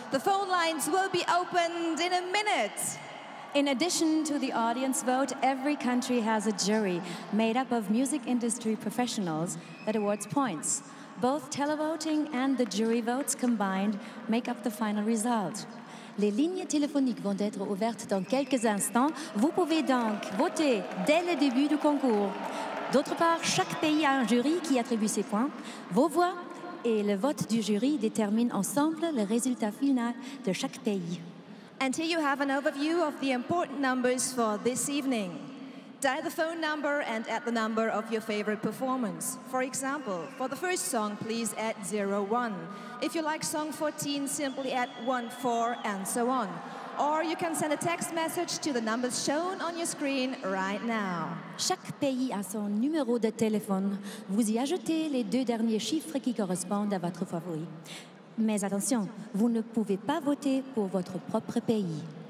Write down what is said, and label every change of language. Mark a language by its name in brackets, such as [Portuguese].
[English] The phone lines will be opened in a minute. In addition to the audience vote, every country has a jury made up of music industry professionals that awards points. Both televoting and the jury votes combined make up the final result. [French] Les lignes téléphoniques vont être ouvertes dans quelques instants. Vous pouvez donc voter dès le début du concours. D'autre part, chaque pays a un jury qui attribue ses points. Vos voix et le vote du jury déterminent ensemble le résultat final de chaque pays. [English] And here you have an overview of the important numbers for this evening. Dial the phone number and add the number of your favorite performance. For example, for the first song, please add 01. If you like song 14, simply add 14 and so on. Or you can send a text message to the numbers shown on your screen right now. [French] Chaque pays a son numéro de téléphone. Vous y ajoutez les deux derniers chiffres qui correspondent à votre favori. Mais attention, vous ne pouvez pas voter pour votre propre pays.